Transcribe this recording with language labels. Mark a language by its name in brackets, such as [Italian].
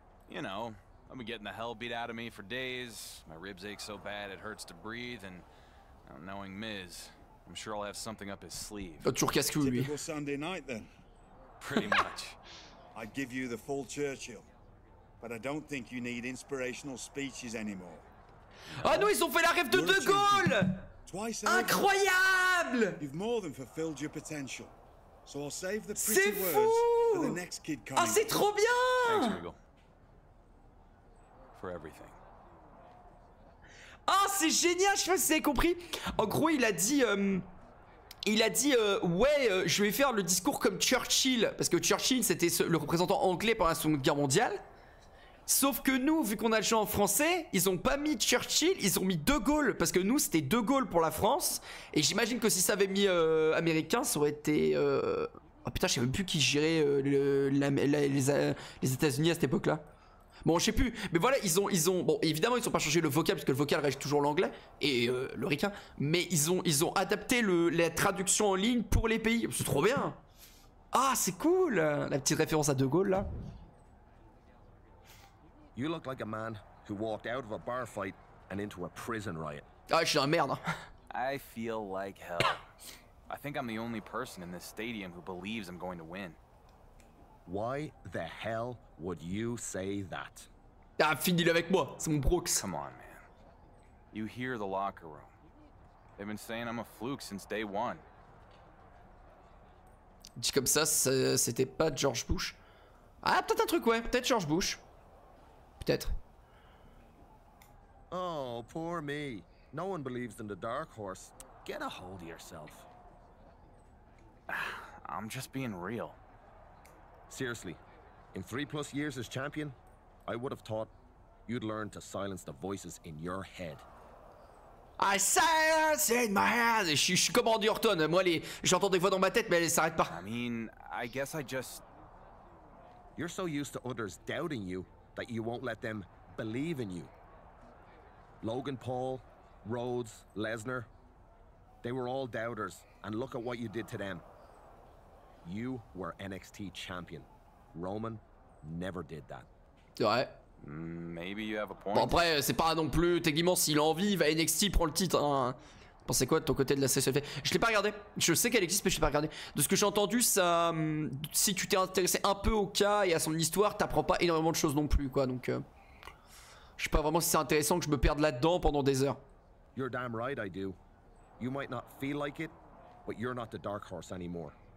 [English] You know, I've been getting the hell beat out of me for days. My ribs ache so bad it hurts to breathe. And knowing Miz, I'm sure I'll have something up his sleeve. [French] Oh, toujours casse-cou, lui. [English] Typical Sunday night, then. Pretty much. I'd give you the full Churchill, but I don't think you need inspirational speeches anymore. [French] Ah non, ils ont fait la rêve de Gaulle. [English] Twice over. Incroyable! You've more than fulfilled your potential. So I'll save the pretty words for the next kid coming. [French] Ah, c'est trop bien! [English] Thanks, Regal. For everything. [French] Ah, c'est génial, je sais pas si vous avez compris. En gros, il a dit... je vais faire le discours comme Churchill. Parce que Churchill, c'était le représentant anglais pendant la Seconde Guerre mondiale. Sauf que nous, vu qu'on a le champ en français, ils ont pas mis Churchill, ils ont mis De Gaulle. Parce que nous, c'était De Gaulle pour la France. Et j'imagine que si ça avait mis américain, ça aurait été... Oh putain, je sais même plus qui gérait les États-Unis à cette époque-là. Bon, je sais plus, mais voilà, ils ont bon, évidemment, ils ont pas changé le vocal, parce que le vocal reste toujours l'anglais et le ricain, mais ils ont adapté la traduction en ligne pour les pays. C'est trop bien. Ah, c'est cool, la petite référence à De Gaulle là. [English] You look like a man who walked out of a bar fight and into a prison riot. [French] Ah, je suis dans la merde. [English] I feel like hell. I think I'm the only person in this stadium who believes I'm going to win. Why the hell would you say that? [French] Ah, finis-le avec moi, c'est mon Brooks. [English] Come on, man. You hear the locker room. They've been saying I'm a fluke since day one. [French] Dit comme ça, c'était pas George Bush. Ah, peut-être un truc, ouais. Peut-être George Bush. Peut-être. [English] Oh, poor me. No one believes in the dark horse. Get a hold of yourself. I'm just being real. Seriously, in 3+ years as champion, I would have thought you'd learn to silence the voices in your head. I silence in my head. [French] Je suis comme Andy Orton. Moi, j'entends des voix dans ma tête, mais elles s'arrêtent pas. [English] I mean, I guess I just... You're so used to others doubting you that you won't let them believe in you. Logan Paul, Rhodes, Lesnar, they were all doubters, and look at what you did to them. You were NXT champion. Roman never did that. [French] Ouais. [English] Maybe you have a point. [French] Bon, après, c'est pas non plus. Techniquement, s'il a envie, il va à NXT, il prend le titre. Hein. Pensez quoi de ton côté de la CSF? Je l'ai pas regardé. Je sais qu'elle existe, mais je l'ai pas regardé. De ce que j'ai entendu, ça. Si tu t'es intéressé un peu au cas et à son histoire, t'apprends pas énormément de choses non plus, quoi. Donc. Je sais pas vraiment si c'est intéressant que je me perde là-dedans pendant des heures. [English] You're damn right, I do. You might not feel like it, but you're not the dark horse anymore.